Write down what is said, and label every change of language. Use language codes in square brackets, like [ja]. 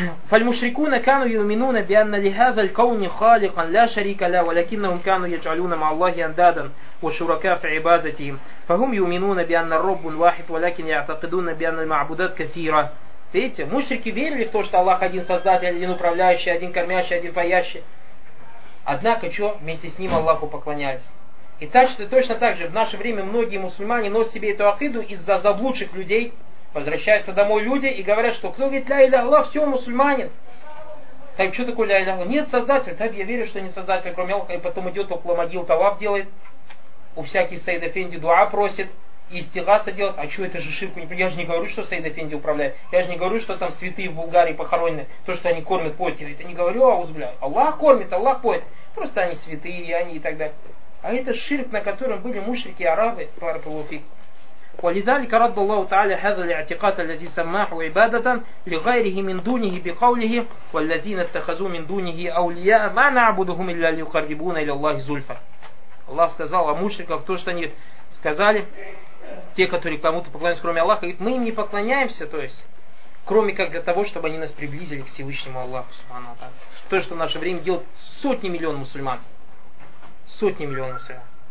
[ar] فالمشركون كانوا يؤمنون بأن لهذا الكون خالقا لا شريك له ولكنهم كانوا يجعلون مع الله أندادا وشركاء في عبادتهم فهم يؤمنون بأن الرب واحد ولكن يعتقدون بأن المعبودات كثيرة. [ru] Видите, мушрики верили в то, что Аллах один создатель, один управляющий, один кормящий, один поящий. Однако что? Вместе с ним Аллаху поклонялись. И так что точно так же в наше время многие мусульмане носят себе эту акиду из-за заблудших людей. Возвращаются домой люди и говорят, что кто говорит ля илля Аллах, все, мусульманин. Так что такое ля илля Аллах? Нет создателя. Так я верю, что не создатель, кроме Аллаха. И потом идет около могил, таваф делает. У всяких Саид Эфенди дуа просит. И истигаса делает. А что это же ширку? Я же не говорю, что Саид Эфенди управляет. Я же не говорю, что там святые в Булгарии похоронены. То, что они кормят, поют. Я это не говорю, а узбляю. Аллах кормит, Аллах поет. Просто они святые, и они и так далее. А это ширк, на котором были мушрики, арабы, баракаллафик. [ar] ولذلك رد الله تعالى هذا الاعتقاد الذي سماه عبادة لغيره من دونه بقوله والذين اتخذوا من دونه أولياء ما نعبدهم إلا ليقربونا إلى الله زلفى. [ru] الله сказал о мушриках то, что они сказали, те, которые кому-то поклоняются, кроме Аллаха, говорит, мы им не поклоняемся, то есть кроме как для того, чтобы они нас приблизили к Всевышнему Аллаху Субхану ва Тааля. То, что в наше время делают сотни миллионов мусульман. Сотни миллионов мусульман.